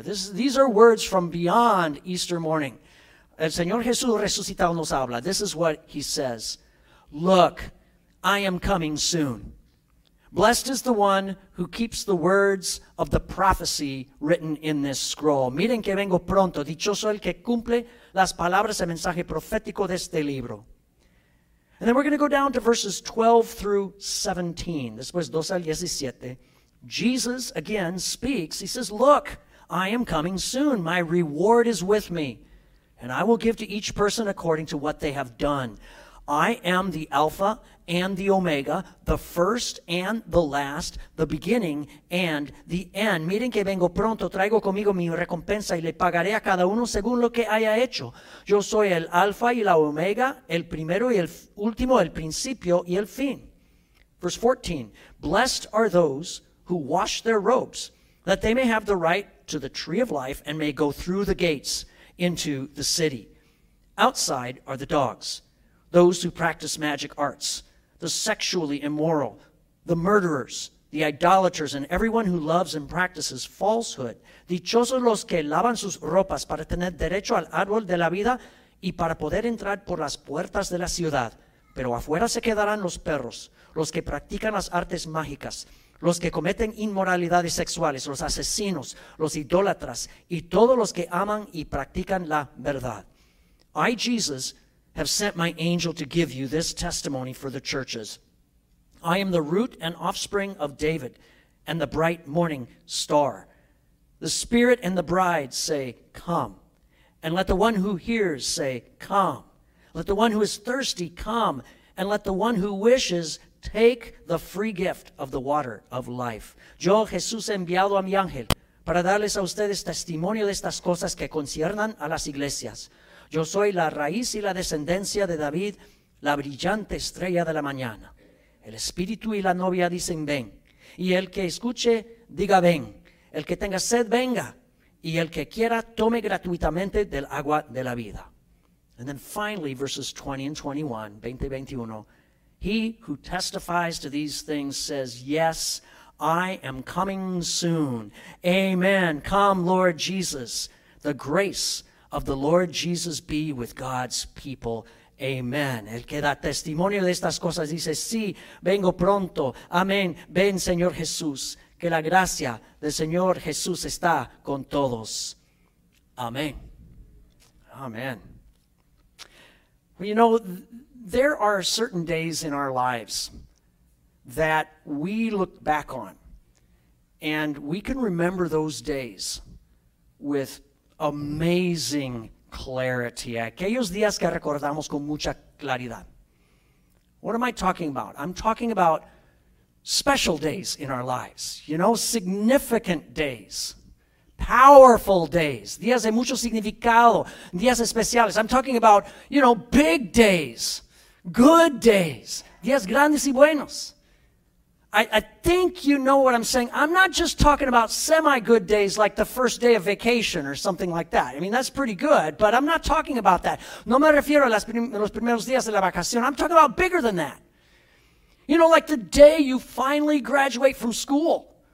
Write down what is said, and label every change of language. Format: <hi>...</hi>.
<en>These are words from beyond Easter morning.</en> <es>El Señor Jesús resucitado nos habla.</es> <en>This is what he says. Look, I am coming soon. Blessed is the one who keeps the words of the prophecy written in this scroll.</en> <es>Miren que vengo pronto. Dichoso el que cumple las palabras del mensaje profético de este libro.</es> <en>And then we're going to go down to verses 12 through 17.</en> <es>Después 12 al 17.</es> <en>Jesus again speaks. He says, look, I am coming soon. My reward is with me, and I will give to each person according to what they have done. I am the Alpha and the Omega, the first and the last, the beginning and the end.</en> <es>Miren que vengo pronto, traigo conmigo mi recompensa y le pagaré a cada uno según lo que haya hecho. Yo soy el Alpha y la Omega, el primero y el último, el principio y el fin.</es> <en>Verse 14, blessed are those who wash their robes, that they may have the right to the tree of life and may go through the gates into the city. Outside are the dogs, those who practice magic arts, the sexually immoral, the murderers, the idolaters, and everyone who loves and practices falsehood.</en> <es>Dichosos los que lavan sus ropas para tener derecho al árbol de la vida y para poder entrar por las puertas de la ciudad. Pero afuera se quedarán los perros, los que practican las artes mágicas, los que cometen inmoralidades sexuales, los asesinos, los idólatras, y todos los que aman y practican la verdad.</es> <en>I, Jesus, have sent my angel to give you this testimony for the churches. I am the root and offspring of David and the bright morning star. The Spirit and the bride say, come. And let the one who hears say, come. Let the one who is thirsty come. And let the one who wishes take the free gift of the water of life.</en> <es>Yo, Jesús, he enviado a mi ángel para darles a ustedes testimonio de estas cosas que conciernan a las iglesias. Yo soy la raíz y la descendencia de David, la brillante estrella de la mañana. El espíritu y la novia dicen ven, y el que escuche diga ven, el que tenga sed venga, y el que quiera tome gratuitamente del agua de la vida.</es> <en>And then finally, verses 20 and 21, 20 y 21, he who testifies to these things says, yes, I am coming soon. Amen. Come, Lord Jesus, the grace of the Lord Jesus be with God's people. Amen.</en> <es>El que da testimonio de estas cosas dice, sí, vengo pronto. Amén. Ven, Señor Jesús, que la gracia del Señor Jesús está con todos. Amén. Amén.</es> <en>You know, there are certain days in our lives that we look back on, and we can remember those days with amazing clarity.</en> <es>Aquellos días que recordamos con mucha claridad.</es> <en>What am I talking about? I'm talking about special days in our lives. You know, significant days. Powerful days.</en> <es>Días de mucho significado. Días especiales.</es> <en>I'm talking about, you know, big days. Good days.</en> <es>Días grandes y buenos.</es> <en>I think you know what I'm saying. I'm not just talking about semi-good days like the first day of vacation or something like that. I mean, that's pretty good, but I'm not talking about that.</en> <es>No me refiero a los primeros días de la vacación.</es> <en>I'm talking about bigger than that. You know, like the day you finally graduate from school.</en>